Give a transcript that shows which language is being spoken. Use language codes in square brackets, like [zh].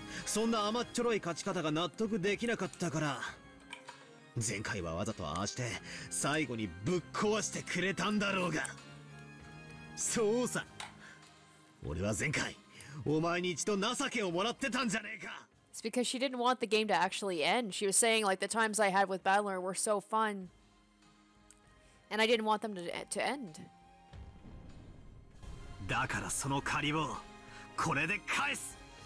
[ja] そんな甘っちょろい勝ち方が納得できなかったから。前回はわざとああして最後にぶっ壊してくれたんだろうが。そうさ。俺は前回お前に一度情けをもらってたんじゃねえか。 [en] It's because she didn't want the game to actually end. She was saying, like, the times I had with Battler were so fun. And I didn't want them to end. [ja] だからその借りをこれで返す。